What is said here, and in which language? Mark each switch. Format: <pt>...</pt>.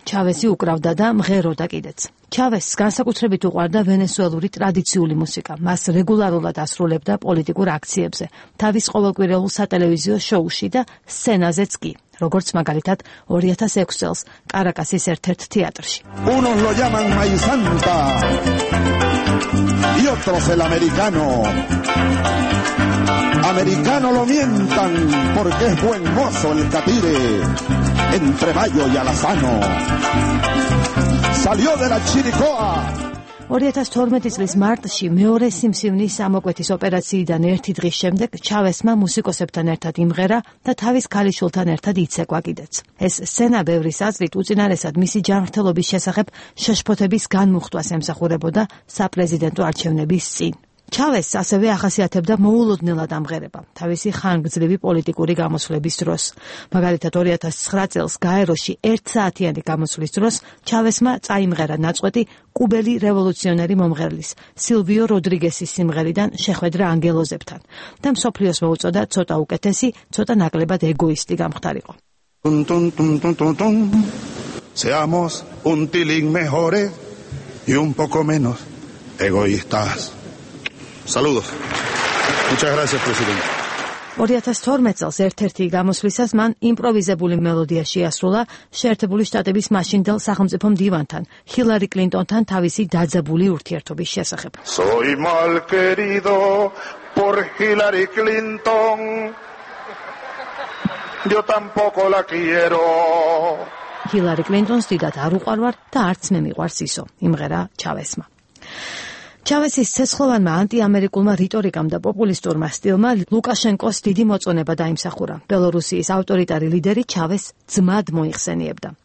<ka>ჩავესი უკრავდა და მღეროდა კიდეც. ჩავესს განსაკუთრებით უყვარდა ვენესუელური ტრადიციული მუსიკა. მას რეგულარულად ასრულებდა პოლიტიკურ აქციებზე, თავის ყოველკვირეულ სატელევიზიო შოუში და სცენაზეც კი, როგორც მაგალითად 2006 წელს კარაკასის ერთ-ერთ თეატრში.</ka> <es>Unos lo llaman maizanta y otros el americano. Americano lo mientan porque es buen mozo el catire entre mayo y alazano. Salió de la Chiricoa.</es> <ka>2012 წლის მარტში მეორე სიმსივნის ამოკვეთის ოპერაციიდან ერთი დღის შემდეგ ჩავესმა მუსიკოსებთან ერთად იმღერა და თავის ქალიშვილთან ერთად იცეკვა კიდეც. ეს სცენა ბევრის აზრით უწინარესად მისი ჯანმრთელობის შესახებ შეშფოთების განმუხტვას ემსახურებოდა საპრეზიდენტო არჩევნების წინ. ჩავეს ასევე ახასიათებდა მოულოდნელად ამღერება თავისი ხანგრძლივი პოლიტიკური გამოსვლების დროს. მაგალითად, 2009 წელს გაეროში ერთსაათიანი გამოსვლის დროს ჩავესმა წაიმღერა ნაწყვეტი კუბელი რევოლუციონერი მომღერლის სილვიო როდრიგესის სიმღერიდან შეხვედრა ანგელოზებთან და მსოფლიოს მოუწოდა ცოტა უკეთესი, ცოტა ნაკლებად ეგოისტი გამხდარიყო.</ka> <es>Seamos un tiling mejore y un poco menos egoístas. Saludos. Muchas gracias, presidente.</es> <ka>2012 წელს ერთ-ერთი გამოსვლისას მან იმპროვიზებული მელოდია შეასრულა შეერთებული შტატების მაშინდელ სახელმწიფო მდივანთან, ჰილარი კლინტონთან თავისი დაძაბული ურთიერთობის შესახებ.</ka> <es>Soy mal querido por Hillary Clinton. Yo tampoco la quiero.</es> <ka>ჰილარი კლინტონს დიდად არ უყვარვარ და არც მე მიყვარს ისო, იმღერა ჩავესმა. ჩავესის ცეცხლოვანმა ანტიამერიკულმა რიტორიკამ და პოპულისტურმა სტილმა ლუკაშენკოს დიდი მოწონება დაიმსახურა. ბელორუსიის ავტორიტარი ლიდერი ჩავეს ძმად მოიხსენიებდა.</ka>